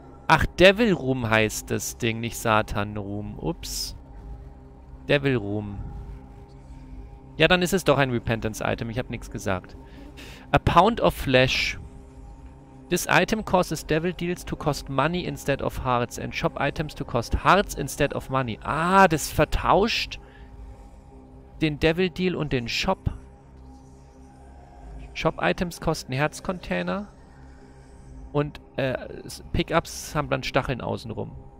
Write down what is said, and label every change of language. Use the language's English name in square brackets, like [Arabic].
[German] Ach, Devil Room heißt das Ding, nicht Satan Room. Ups. Devil Room. Ja, dann ist es doch ein Repentance Item. Ich habe nichts gesagt. A Pound of Flesh. [English] This item causes devil deals to cost money instead of hearts and shop items to cost hearts instead of money. [German] Ah, das vertauscht den devil deal und den shop. Shop items kosten Herzcontainer und Pickups haben dann Stacheln außenrum.